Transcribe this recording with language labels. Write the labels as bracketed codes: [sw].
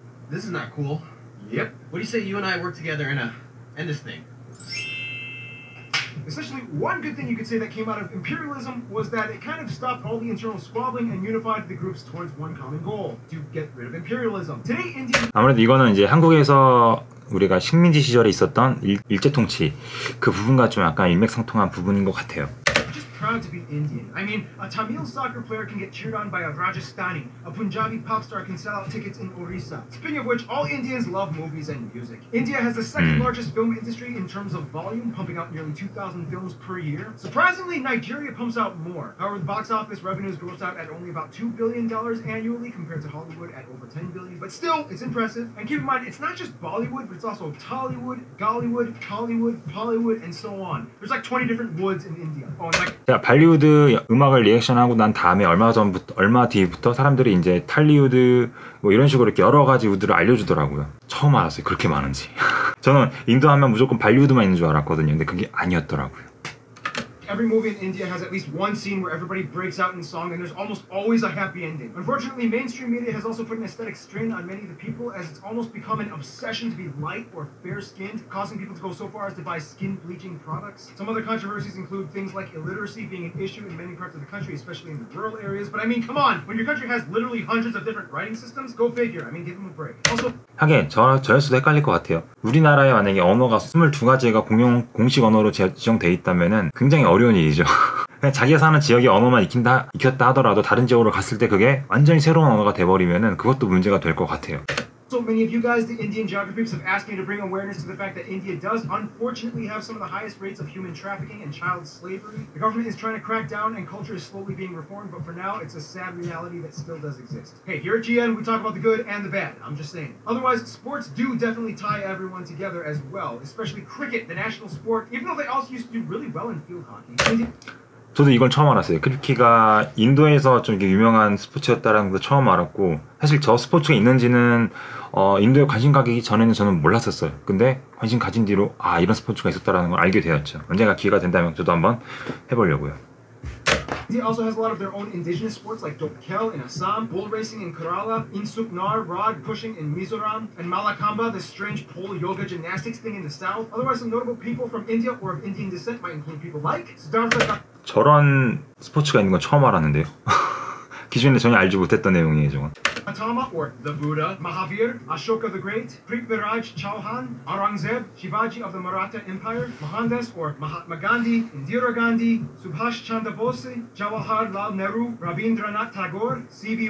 [en] this is not cool. Yep. What do you say you and I work together and end this thing? Essentially, one good thing you could say that came out of imperialism was that it kind of stopped all the internal squabbling and unified the groups towards one common goal, to get rid of imperialism. Today, India... [ko] 아무래도 이거는 이제 한국에서 우리가 식민지 시절에 있었던 일제 통치 그 부분과 좀 약간 일맥상통한 부분인 것 같아요. [en] Just proud proud to be Indian. I mean, a Tamil soccer player can get cheered on by a Rajasthani. A Punjabi pop star can sell out tickets in Orissa. Speaking of which, all Indians love movies and music. India has the second largest film industry in terms of volume, pumping out nearly 2,000 films per year. Surprisingly, Nigeria pumps out more. However, the box office revenues gross out at only about $2 billion annually compared to Hollywood at over $10 billion. But still, it's impressive. And keep in mind, it's not just Bollywood, but it's also Tollywood, Gollywood, Hollywood, Pollywood, and so on. There's like 20 different woods in India. [ko] 자, 발리우드 음악을 리액션하고 난 다음에 얼마 뒤부터 사람들이 이제 탈리우드 뭐 이런 식으로 이렇게 여러 가지 우드를 알려주더라고요. 처음 알았어요. 그렇게 많은지. 저는 인도 하면 무조건 발리우드만 있는 줄 알았거든요. 근데 그게 아니었더라고요. [en] Every movie in India has at least one scene where everybody breaks out in song and there's almost always a happy ending. Unfortunately, mainstream media has also put an aesthetic strain on many of the people as it's almost become an obsession to be light or fair-skinned, causing people to go so far as to buy skin-bleaching products. Some other controversies include things like illiteracy being an issue in many parts of the country, especially in the rural areas. But I mean, come on! When your country has literally hundreds of different writing systems, go figure. I mean, give them a break. Also, [ko] 하긴 저였어도 헷갈릴 것 같아요. 우리나라에 만약에 언어가 22가지가 공식 언어로 지정돼 있다면은 굉장히 어려운 일이죠. 그냥 자기가 사는 지역의 언어만 익혔다 하더라도 다른 지역으로 갔을 때 그게 완전히 새로운 언어가 돼버리면은 그것도 문제가 될 것 같아요. [en] So many of you guys, the Indian geographers, have asked me to bring awareness to the fact that India does unfortunately have some of the highest rates of human trafficking and child slavery. The government is trying to crack down and culture is slowly being reformed, but for now, it's a sad reality that still does exist. Hey, here at GN, we talk about the good and the bad. I'm just saying. Otherwise, sports do definitely tie everyone together as well, especially cricket, the national sport, even though they also used to do really well in field hockey. [ko] 저도 이걸 처음 알았어요. 크리켓이 인도에서 좀 이렇게 유명한 스포츠였다라는 것도 처음 알았고, 사실 저 스포츠가 있는지는 인도에 관심 가기 전에는 저는 몰랐었어요. 근데 관심 가진 뒤로 아 이런 스포츠가 있었다라는 걸 알게 되었죠. 언젠가 기회가 된다면 저도 한번 해보려고요. [en] India also has a lot of their own indigenous sports like Dobkhel in Assam, bull racing in Kerala, Insuknar, rod pushing in Mizoram, and Mallakhamba, this strange pole yoga gymnastics thing in the south. Otherwise, some notable people from India or of Indian descent might include people like Siddhartha. [ko] 저런 스포츠가 있는 건 처음 알았는데요. 기존에 전혀 알지 못했던 내용이에요, 저건. [en] Gautama or the Buddha, Mahavir, Ashoka the Great, Prithviraj Chauhan, Aurangzeb, Shivaji of the Maratha Empire, Mohandas or Mahatma Gandhi, Indira Gandhi, Subhash Chandra Bose, Jawaharlal Nehru, Rabindranath Tagore, C.V.